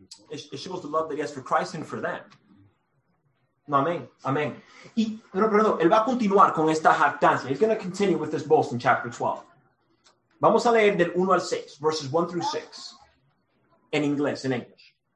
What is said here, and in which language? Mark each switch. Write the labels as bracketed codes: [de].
[en] It shows the love that he has for Christ and for them. No, amen. Amen. [es] Pero él va a continuar con esta jactancia. [en] He's going to continue with this boast in chapter 12. [es] Vamos a leer del 1 al 6, [en] verses 1 through 6, [es] en inglés, en English.